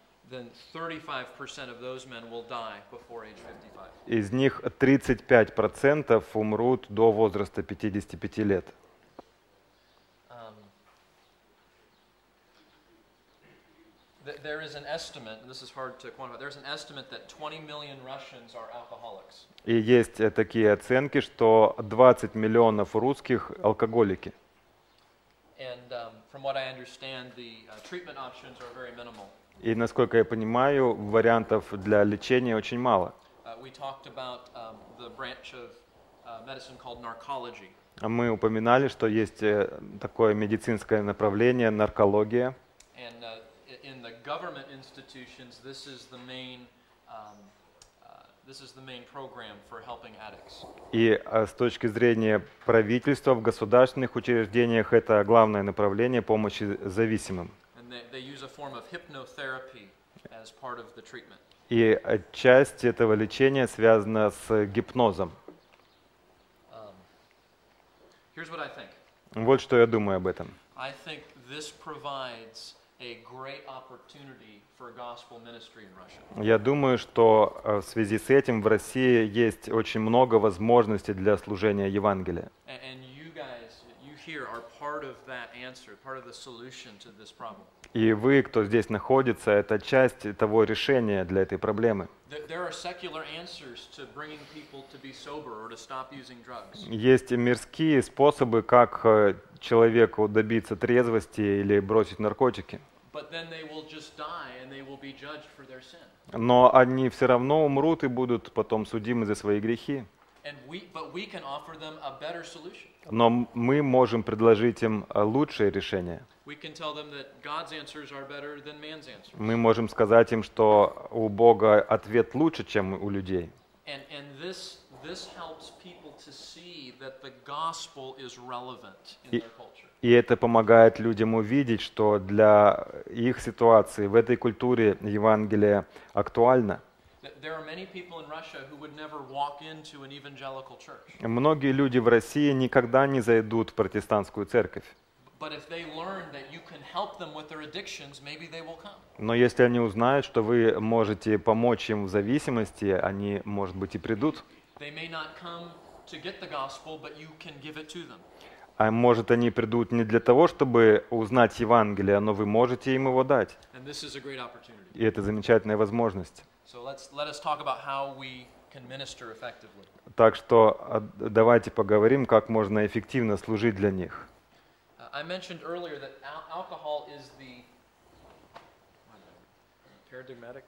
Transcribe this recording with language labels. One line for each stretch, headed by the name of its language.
English: then 35% of those men will die before age 55.
Russian: Из них 35% умрут до возраста 55 лет.
English: There is an estimate, and this is hard to quantify. There's an estimate that 20 million Russians are alcoholics.
Russian: И есть такие оценки, что 20 миллионов русских алкоголики.
English: And from what I understand, the treatment options are very minimal.
Russian: И насколько я понимаю, вариантов для лечения очень мало.
English: We talked about the branch of medicine called narcology.
Russian: Мы упоминали, что есть такое медицинское направление — наркология.
English: And in the government institutions, this is the main program for helping addicts.
Russian: И с точки зрения правительства в государственных учреждениях это главное направление помощи зависимым.
English: And they use a form of hypnotherapy as part of the treatment.
Russian: И часть этого лечения связана с гипнозом.
English: Here's what I think.
Russian: Вот что я думаю об этом.
English: I think this provides a great opportunity for gospel ministry in Russia.
Russian: Я думаю, что в связи с этим в России есть очень много возможностей для служения Евангелия.
English: And you guys, you here are part of that answer, part of the solution to this problem.
Russian: И вы, кто здесь находится, это часть того решения для этой проблемы.
English: There are secular answers to bringing people to be sober or to stop using drugs.
Russian: Есть мирские способы, как человеку добиться трезвости или бросить наркотики.
English: But then they will just die and they will be judged for their sin.
Russian: Но они все равно умрут и будут потом судимы за свои грехи.
English: But we can offer them a better solution.
Russian: Но мы можем предложить им лучшее решение.
English: We can tell them that God's answers are better than man's answers.
Russian: Мы можем сказать им, что у Бога ответ лучше, чем у людей.
English: And this helps people to see that the gospel is relevant in their culture.
Russian: И это помогает людям увидеть, что для их ситуации в этой культуре Евангелие актуально.
English: There are many people in Russia who would never walk into an evangelical church.
Russian: Многие люди в России никогда не зайдут в протестантскую церковь.
English: But if they learn that you can help them with their addictions, maybe they will come.
Russian: Но если они узнают, что вы можете помочь им в зависимости, они, может быть, и придут.
English: They may not come to get the gospel, but you can give it to them.
Russian: А может, они придут не для того, чтобы узнать Евангелие, но вы можете им его дать.
English: And this is a great opportunity.
Russian: И это замечательная возможность.
English: So let us talk about how we can minister effectively.
Russian: Так что давайте поговорим, как можно эффективно служить для них.
English: I mentioned earlier that alcohol is the paradigmatic.